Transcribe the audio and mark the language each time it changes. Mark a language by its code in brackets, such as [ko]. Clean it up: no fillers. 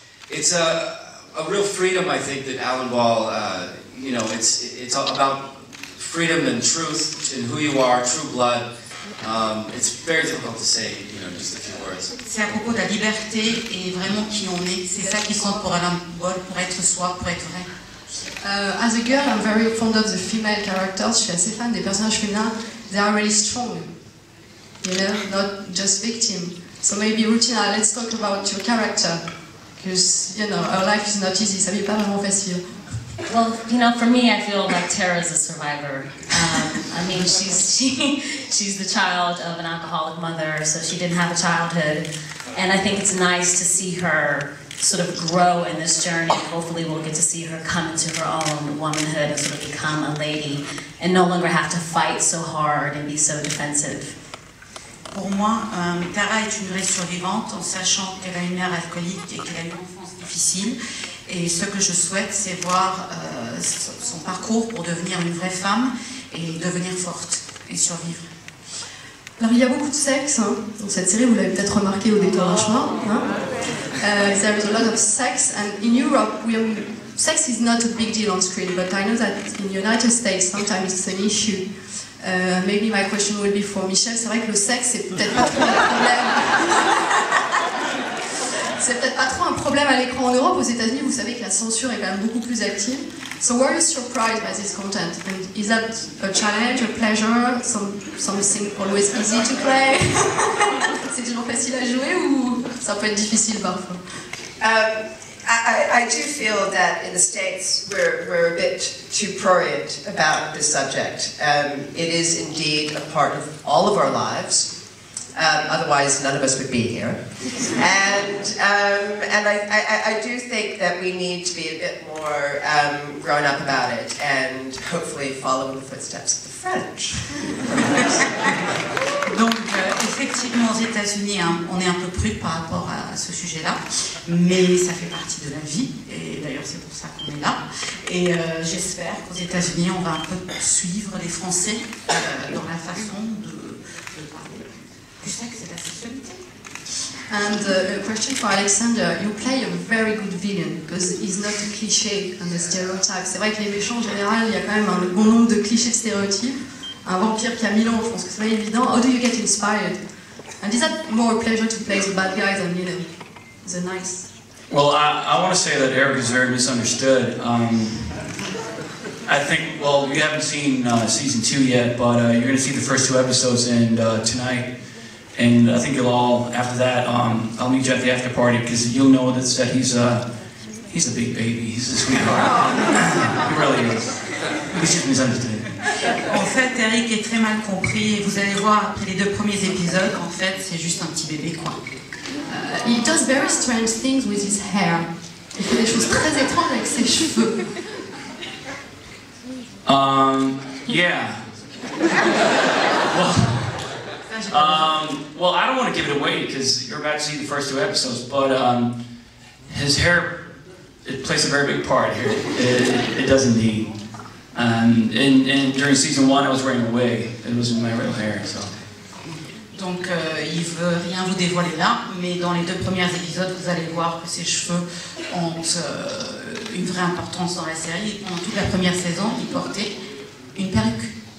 [en] It's a real freedom, I think, that Alan Ball. You know, it's all about freedom and truth and who you are, True Blood. It's very difficult to say, you know, just a few words. [fr] C'est à propos de la liberté et vraiment qui on est. C'est ça qui compte pour Alan Ball, pour être soi, pour être vrai. [en] As a girl, I'm very fond of the female characters. [fr] Je suis assez fan des personnages féminins. [en] They are really strong, you know, not just victim. So maybe, Rutina, let's talk about your character, because you know, our life is not easy. [fr] Ça n'est pas vraiment facile. [en] Well, you know, for me, I feel like Tara is a survivor. I mean, she's the child of an alcoholic mother, so she didn't have a childhood. And I think it's nice to see her sort of grow in this journey. Hopefully we'll get to see her come into her own womanhood and sort of become a lady and no longer have to fight so hard and be so defensive. [fr] Pour moi, Tara est une vraie survivante en sachant qu'elle a une mère alcoolique et qu'elle a une enfance difficile. Et ce que je souhaite, c'est voir son parcours pour devenir une vraie femme et devenir forte et survivre. Alors, il y a beaucoup de sexe hein, dans cette série, vous l'avez peut-être remarqué au déclenchement. Hein? [en] There is a lot of sex, and in Europe, sex is not a big deal on screen, but I know that in the United States, sometimes it's an issue. Maybe my question would be for Michel. [fr] C'est vrai que le sexe, c'est peut-être pas trop un problème. C'est peut-être pas trop un problème à l'écran en Europe. Aux États-Unis, vous savez que la censure est quand même beaucoup plus active. [en] So, were you surprised by this content? And is that a challenge, a pleasure, something always easy to play? [fr] C'est toujours facile à jouer ou ça peut être difficile parfois? [en] I do feel that in the States we're a bit too prurient about this subject. It is indeed a part of all of our lives. Otherwise, none of us would be here. And I do think that we need to be a bit more grown up about it and hopefully follow in the footsteps of the French. [fr] Donc, effectivement, aux États-Unis, hein, on est un peu prude par rapport à ce sujet-là, mais ça fait partie de la vie, et d'ailleurs, c'est pour ça qu'on est là. Et j'espère qu'aux États-Unis, on va un peu suivre les Français dans la façon de parler. [en] And a question for Alexander. You play a very good villain because he's not a cliché and a stereotype. [fr] C'est vrai que les méchants, en général, il y a quand même un bon nombre de clichés stéréotypes. Un vampire qui a 1000 ans, je pense que c'est pas évident. [en] How do you get inspired? And is that more a pleasure to play the bad guy than, you know, the nice? Well, I want to say that Eric is very misunderstood. I think, well, you haven't seen season 2 yet, but you're going to see the first 2 episodes and tonight. And I think you'll all, after that, I'll meet you at the after party because you'll know that he's a big baby, he's a sweetheart. He really is. He's just misunderstood. [fr] En fait, Eric est très mal compris et vous allez voir après les 2 premiers épisodes, en fait, c'est juste un petit bébé, quoi. [en] He does very strange things with his hair. [fr] Il fait des choses très étranges avec ses cheveux. [en] Yeah. Well, I don't want to give it away because you're about to see the first 2 episodes, but his hair, it plays a very big part here. It does indeed. And during season one, I was wearing a wig. It was in my real hair, so. [fr] Donc, il veut rien vous dévoiler là, mais dans les deux premiers épisodes, vous allez voir que ses cheveux ont une vraie importance dans la série. Et pendant toute la première saison, il portait une perruque.